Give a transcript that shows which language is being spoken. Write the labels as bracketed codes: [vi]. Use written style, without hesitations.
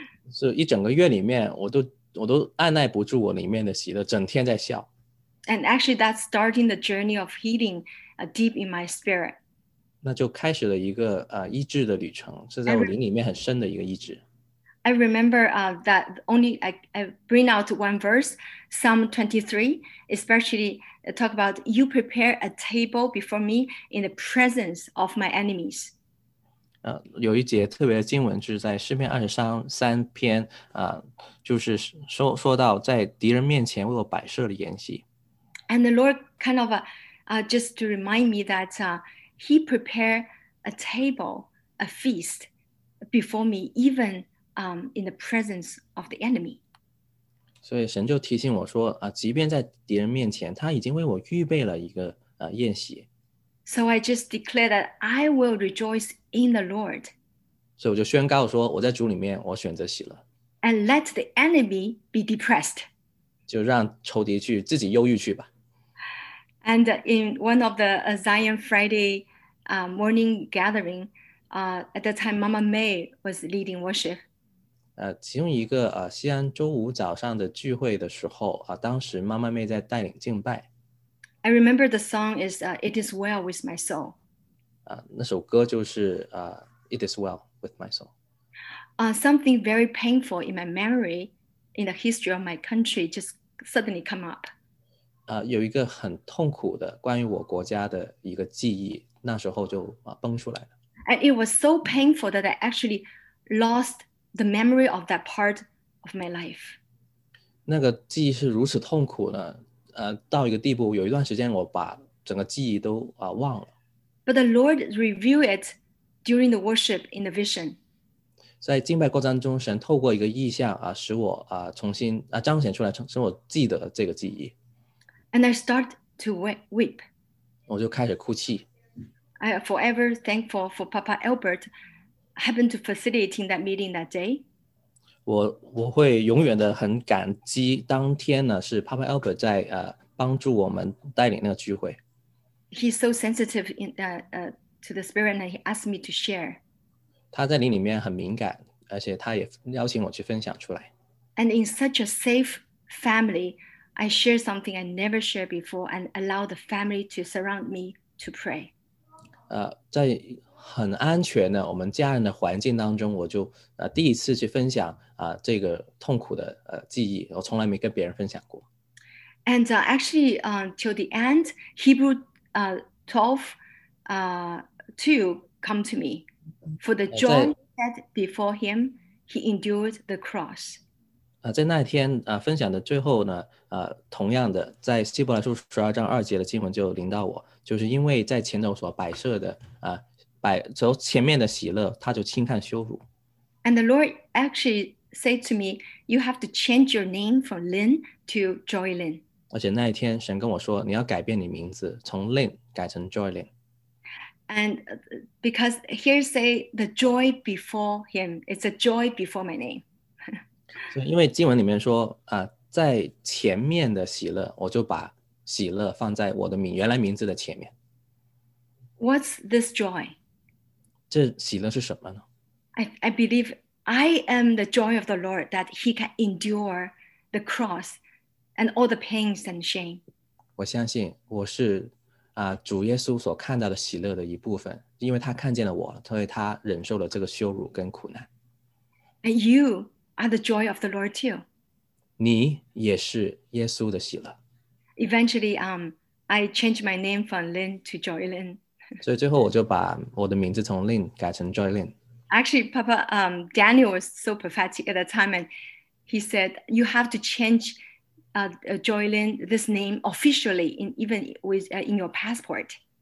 [zh] 是一整个月里面，我都按耐不住我里面的喜乐，整天在笑。 [en] And actually, that's starting the journey of healing, deep in my spirit. [zh] 那就开始了一个医治的旅程，是在我灵里面很深的一个医治。 [en] I remember that only I bring out one verse, Psalm 23, especially talk about you prepare a table before me in the presence of my enemies. [zh] 有一节特别的经文就是在诗篇二十三篇、就是 说到在敌人面前为我摆设了筵席。 [en] And the Lord kind of just to remind me that he prepared a table, a feast before me even in the presence of the enemy. [zh] 所以神就提醒我说、即便在敌人面前他已经为我预备了一个、宴席。 [en] So I just declare that I will rejoice in the Lord. [zh] 所以我就宣告说我在主里面我选择喜乐。 [en] And let the enemy be depressed. [zh] 就让仇敌去自己忧郁去吧。 [en] And in one of the Zion Friday morning gathering, at the time Mama May was leading worship. [zh] 其中一个、西安周五早上的聚会的时候、当时 Mama May 在带领敬拜。 [en] I remember the song is It Is Well With My Soul. [zh] 那首歌就是 It Is Well With My Soul. [en] Something very painful in my memory, in the history of my country, just suddenly come up. [zh] 有一个很痛苦的关于我国家的一个记忆，那时候就、崩出来了。 [en] And it was so painful that I actually lost the memory of that part of my life. [zh] 那个记忆是如此痛苦呢，到一个地步，有一段时间我把整个记忆都、忘了。 [en] But the Lord revealed it during the worship in the vision. [zh] 在敬拜过程中，神透过一个意象啊，使我啊重新啊彰显出来，使我记得这个记忆。 [en] And I start to weep. [zh] 我就开始哭泣。 [en] I am forever thankful for Papa Albert happened to facilitate that meeting that day. [zh] 我会永远的很感激当天呢是 Papa Albert 在帮助我们带领那个聚会。 [en] He's so sensitive in to the spirit and he asked me to share. [zh] 他在灵里面很敏感，而且他也邀请我去分享出来。 [en] And in such a safe family, I share something I never shared before and allow the family to surround me to pray. [zh] 在很安全的我们家人的环境当中，我就第一次去分享这个痛苦的记忆，我从来没跟别人分享过。 [en] And actually, till the end, Hebrew 12:2 come to me. For the joy set before him, he endured the cross. [zh] 在那天分享的最后呢，同样的，在希伯来书12:2的经文就临到我，就是因为在前头所摆设的从前面的喜乐，他就轻看羞辱。 [en] And the Lord actually said to me, "You have to change your name from Lynn to Joy Lynn." [zh] 而且那一天，神跟我说，你要改变你名字，从 Lynn 改成 Joy Lynn。 [en] And because here say the joy before him, it's a joy before my name. [zh] 所以因为经文里面说在前面的喜乐，我就把喜乐放在我的原来名字的前面。 [en] What's this joy? [zh] 这喜乐是什么呢？ [en] I believe I am the joy of the Lord that he can endure the cross and all the pains and shame. [zh] 我相信我是主耶稣所看到的喜乐的一部分，因为他看见了我，所以他忍受了这个羞辱跟苦难。 [en] And you are the joy of the Lord too. [zh] 你也是耶稣的喜乐。 [en] Eventually, I changed my name from Lynn to Joy Lynn. [zh] 所以最后我就把我的名字从 Lynn 改成 Joy Lynn。 [en] Actually, Papa, Daniel was so prophetic at that time, and he said, "You have to change, Joy Lynn this name officially, in even with in your passport."